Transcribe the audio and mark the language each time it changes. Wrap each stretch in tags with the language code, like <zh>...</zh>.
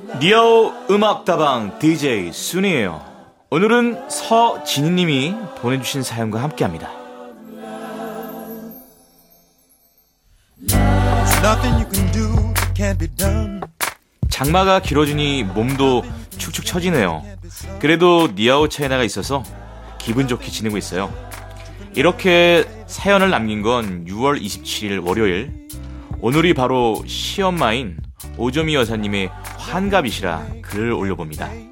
<ko>여우 음악다방 DJ 순이에요. 오늘은 서진희님이 보내주신 사연과 함께합니다.</ko> <en>Nothing you can do can be done.</en> <ko>장마가 길어지니 몸도 축축 처지네요. 그래도 니아오 차이나가 있어서 기분 좋게 지내고 있어요. 이렇게 사연을 남긴 건 6월 27일 월요일. 오늘이 바로 시엄마인 오조미 여사님의 환갑이시라 글을 올려봅니다.</ko>